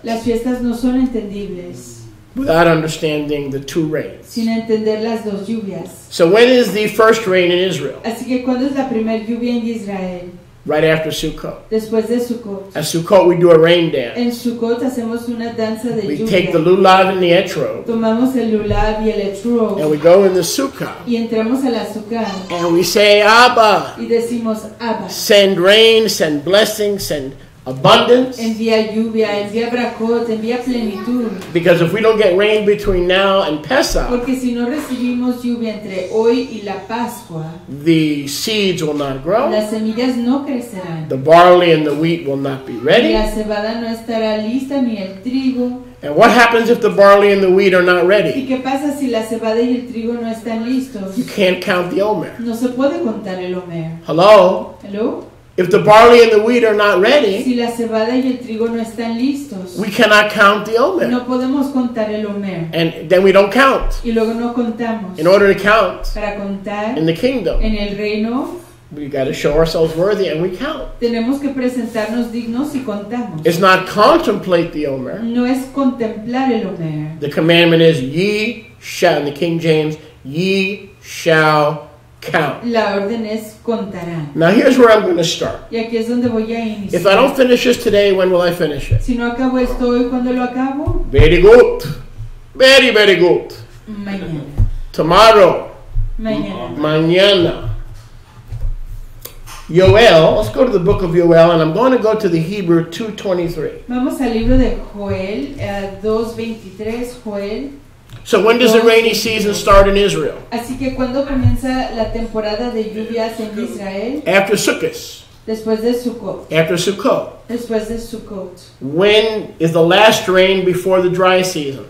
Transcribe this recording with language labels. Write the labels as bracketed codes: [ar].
[es] Las fiestas no son entendibles. [en] Without understanding the two rains. [es] Sin entender las dos lluvias. [en] So when is the first rain in Israel? [es] Así que ¿cuándo es la primera lluvia en Israel? [en] Right after Sukkot. [es] Después de Sukkot. [en] At Sukkot we do a rain dance. [es] En Sukkot hacemos una danza de [en] we [es] lluvia. [en] Take the lulav and the etrog. [es] Tomamos el lulav y el etrog. [en] And we go in the sukkah. [es] Y entramos a la sukkah. [en] And we say Abba. [es] Y decimos Abba. [en] Send rain, send blessings, send abundance. [es] Envía lluvia, envía bracot, envía plenitud. [en] Because if we don't get rain between now and Pesach, [es] porque si no recibimos lluvia entre hoy y la Pascua, [en] the seeds will not grow. [es] Las semillas no crecerán. [en] The barley and the wheat will not be ready. [es] Y la cebada no estará lista ni el trigo. [en] And what happens if the barley and the wheat are not ready? [es] ¿Y qué pasa si la cebada y el trigo no están listos? [en] You can't count the omer. [es] No se puede contar el omer. [en] Hello? Hello? If the barley and the wheat are not ready, [es] si la cebada y el trigo no están listos, [en] we cannot count the omer. [es] No podemos contar el omer. [en] And then we don't count. [es] Y luego no contamos. [en] In order to count, [es] para contar [en] in the kingdom, [es] en el reino, [en] we got to show ourselves worthy and we count. [es] Tenemos que presentarnos dignos y contamos. [en] It's not contemplate the omer. [es] No es contemplar el omer. [en] The commandment is ye shall, in the King James, ye shall count. [es] La orden es contarán. [en] Now here's where I'm going to start. [es] Y aquí es donde voy a iniciar. [en] If I don't finish this today, when will I finish it? [es] Si no acabo esto hoy, ¿cuándo lo acabo? [en] Very good. Very, very good. [es] Mañana. [en] Tomorrow. [es] Mañana. Mañana. [en] Yoel, let's go to the book of Yoel, and I'm going to go to the Hebrew 2:23. [es] Vamos al libro de Joel, 2:23, Joel. [en] So when does the rainy season start in Israel? [es] Así que ¿cuándo comienza la temporada de lluvias en Israel? [en] After Sukkot. [es] Después de Sukkot. [en] After Sukkot. [es] Después de Sukkot. [en] When is the last rain before the dry season?